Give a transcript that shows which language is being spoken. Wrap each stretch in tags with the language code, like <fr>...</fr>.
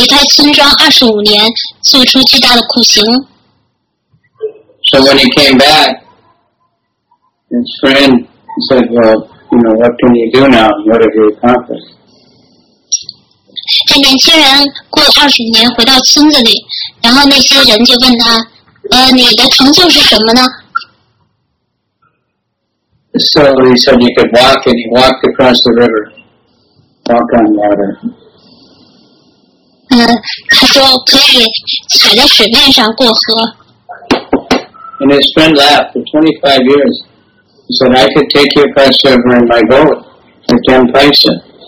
<zh>他离开村庄25年，做出巨大的苦行。</zh> <en>So when he came back, his friend said, well, you know, what can you do now? What have you accomplished?</en> <zh>这年轻人过了20年回到村子里，然后那些人就问他，你的成就是什么呢？</zh> <en>So he said he could walk, and he walked across the river, walk on water.</en> <zh>他说可以踩在水面上过河。</zh> <en>And his friend laughed for 25 years. He said, I could take your fast river in my boat for 10 paisa.</en>